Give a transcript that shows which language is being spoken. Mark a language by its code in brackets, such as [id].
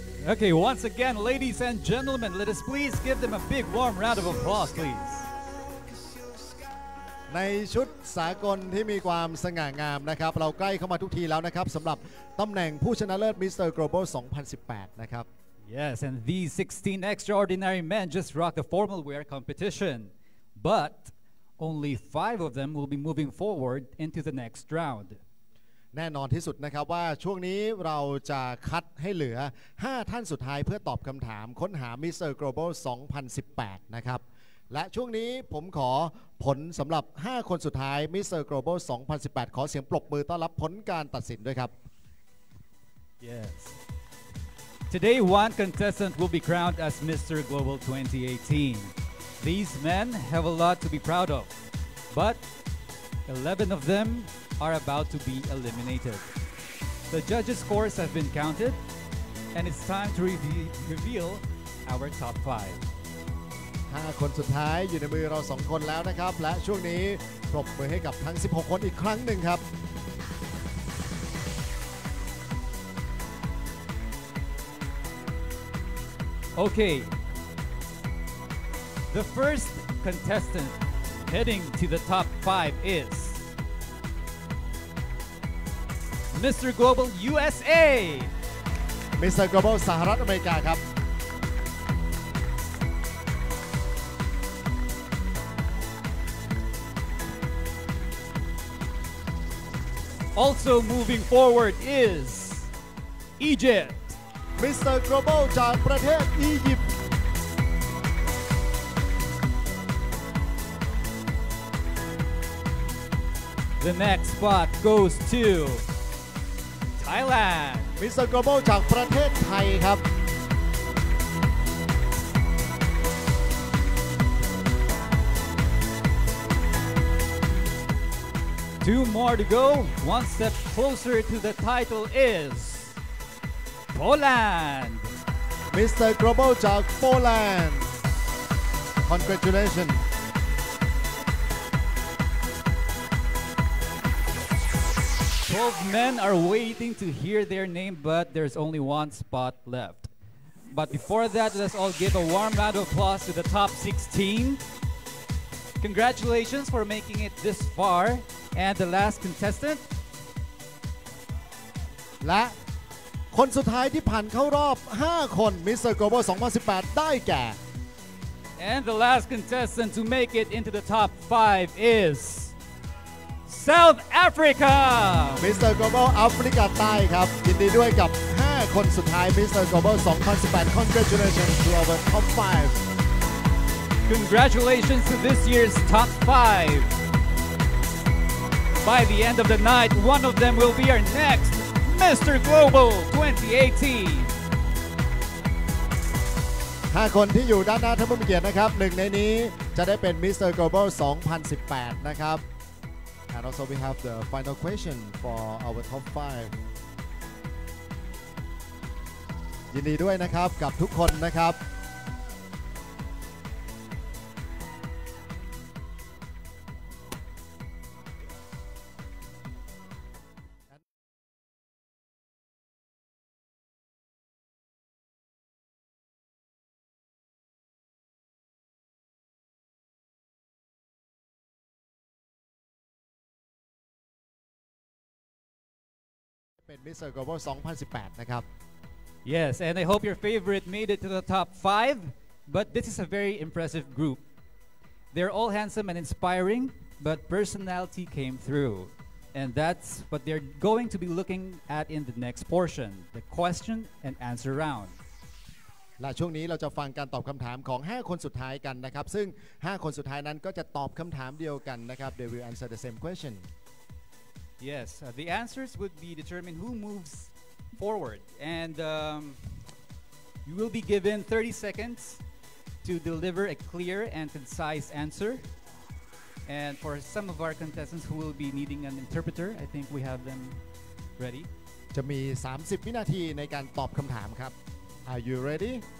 [en] Okay, once again, ladies and gentlemen, let us please give them a big warm round of applause, please. [th] ในชุดสากลที่มีความสง่างามนะครับเราใกล้เข้ามาทุกทีแล้วนะครับสำหรับตำแหน่งผู้ชนะเลิศมิสเตอร์โกลบอล2018นะครับ [en] Yes, and these 16 extraordinary men just rocked the formal wear competition. ButOnly five of them will be moving forward into the next round. [th] แน่นอนที่สุดนะครับว่าช่วงนี้เราจะคัดให้เหลือ5ท่านสุดท้ายเพื่อตอบคำถามค้นหามิสเตอร์โกลบอล2018นะครับ และช่วงนี้ผมขอผลสำหรับ5คนสุดท้ายมิสเตอร์โกลบอล2018ขอเสียงปรบมือต้อนรับผลการตัดสินด้วยครับ [en] Yes Today one contestant will be crowned as Mr. Global 2018 These men have a lot to be proud of But 11 of them are about to be eliminated The judges' scores have been countedAnd it's time to reveal our top 5. [th] 5คนสุดท้ายอยู่ในมือเรา2คนแล้วนะครับและช่วงนี้ปรบมือให้กับทั้ง16คนอีกครั้งหนึ่งครับ [en] Okay. The first contestant heading to the top 5 is Mr. Global USA. [th] มิสเตอร์ Global สหรัฐอเมริกาครับ [en] Also moving forward is Egypt [th] มิสเตอร์ Global จากประเทศอียิปต์ [en] The next spot goes to Thailand [th] มิสเตอร์ Global จากประเทศไทยครับ [en] Two more to go. One step closer to the title is Poland. [th] มิสเตอร์ Global จากโปแลนด์ [en] Congratulations. 12 men are waiting to hear their name, but there's only one spot left. But before that, let's all give a warm round of applause to the top 16. Congratulations for making it this far. And the last contestant. [th] และคนสุดท้ายที่ผ่านเข้ารอบ5คน Mr. Global 2018ได้แก่ [en] And the last contestant to make it into the top 5 is... South Africa Mr. [th] Global Africa ใต้ครับยินดีด้วยกับ5คนสุดท้าย Mr. [en] Global 2018 Congratulations to our top 5 Congratulations to this year's top 5 By the end of the night one of them will be our next Mr. Global 2018 [th] 5คนที่อยู่ด้านหน้าท่านผู้มีเกียรตินะครับ1ในนี้จะได้เป็น Mr. [en] Global 2018นะครับAnd also we have the final question for our top 5. [th] ยินดีด้วยนะครับกับทุกคนนะครับ Mr. Global 2018 นะครับ [en] Yes, and I hope your favorite made it to the top 5 But this is a very impressive group They're all handsome and inspiring But personality came through And that's what they're going to be looking at in the next portion The question and answer round [th] และช่วงนี้เราจะฟังการตอบคำถามของ5คนสุดท้ายกันนะครับซึ่ง5คนสุดท้ายนั้นก็จะตอบคำถามเดียวกันนะครับ [en] They will answer the same question Yes, the answers would be determined who moves forward. And you will be given 30 seconds to deliver a clear and concise answer. And for some of our contestants who will be needing an interpreter, I think we have them ready. [th] จะมี30วินาทีในการตอบคำถามครับ [en] Are you ready?